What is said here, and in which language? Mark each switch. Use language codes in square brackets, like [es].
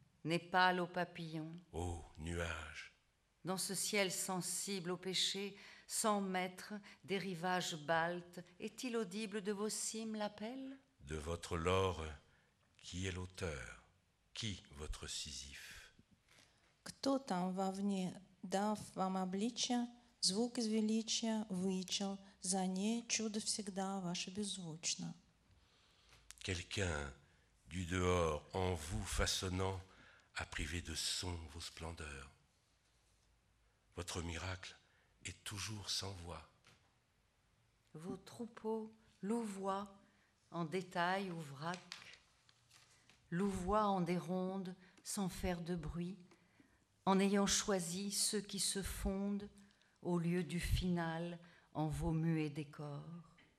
[fr] Népal aux papillons, ô nuages. Dans ce ciel sensible au péché, 100 mètres des rivages baltes, est-il audible de vos cimes l'appel? De votre lore, qui est l'auteur? Qui votre Sisyphe? [ru] Кто там вовне, дав вам обличье, звук из величия вычел, за ней чудо всегда ваше беззвучно. [fr] Quelqu'un du dehors en vous façonnant a privé de son vos splendeurs. Votre miracle est toujours sans voix. vos troupeaux, louvois en détail ou vrac, louvois en des rondes sans faire de bruit, en ayant choisi ceux qui se fondent au lieu du final en vos muets décors.